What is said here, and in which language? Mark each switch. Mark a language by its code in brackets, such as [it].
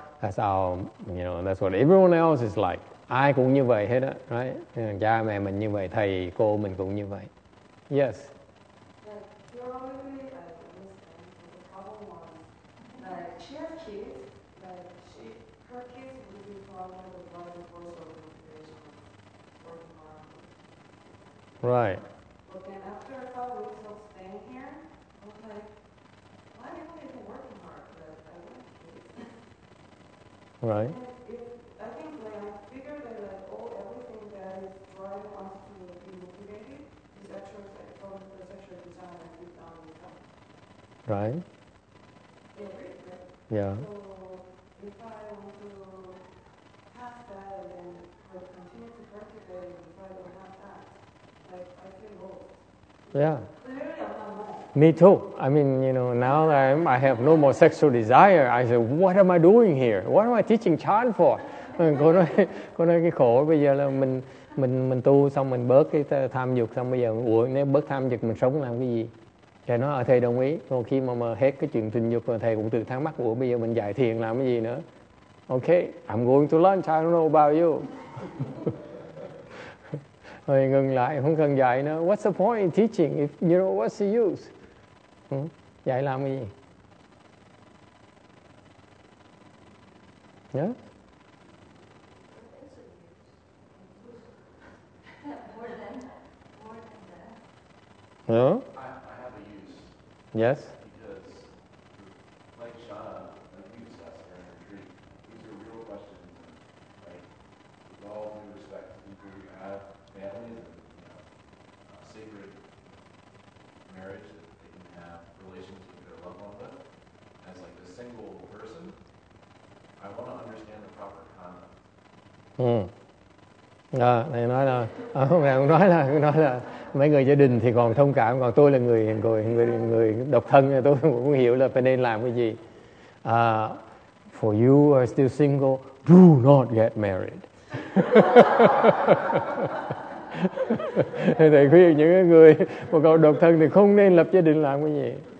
[en] That's how, you know, that's what everyone else is like. [vi] Ai cũng như vậy hết á, right? Cha mẹ mình như vậy, thầy cô mình cũng như vậy. [en] Yes. Right. But then after a couple weeks of staying here, I was like, why haven't they been working hard? But I want kids. Right. I think when I figure that like all everything that is driving us to be motivated is actually from the sexual desire that we've done in the past. Right. Every day. Yeah. So if I want to have that and then continue to practice it, if I don't have that, I feel old. Yeah. Clearly, I'm not. Me too. I mean, you know, now I have no more sexual desire. I said, what am I doing here? What am I teaching chan for? [vi] Cô nói cái khổ bây giờ là mình tu xong mình bớt cái tham dục xong bây giờ ủa nếu bớt tham dục mình sống làm cái gì? Thầy nói thầy đồng ý. Còn khi mà hết cái chuyện tình dục thầy cũng tự thắc mắc ủa bây giờ mình giải thiền làm cái gì nữa? [en] Ok, I'm going to lunch, I don't know about you. [vi] Rồi ngừng lại, không cần dạy nữa. [en] What's the point in teaching if you know what's the use? [vi] Dạy làm cái gì? Nhớ? [en] No? I have a use. Yes? Because, like Shana abused us during our retreat, these are real questions. And, like, with all due respect to people who have families and, you know, a sacred marriage that they can have relations with their loved one with, as, like, a single person, I want to understand the proper conduct. Hmm. [vi] À, thầy nói là không phải ông nói là mấy người gia đình thì còn thông cảm, còn tôi là người độc thân thì tôi cũng không hiểu là phải nên làm cái gì. [en] For you are still single, do not get married. [vi] Thầy khuyên những người mà còn độc thân thì không nên lập gia đình làm cái gì.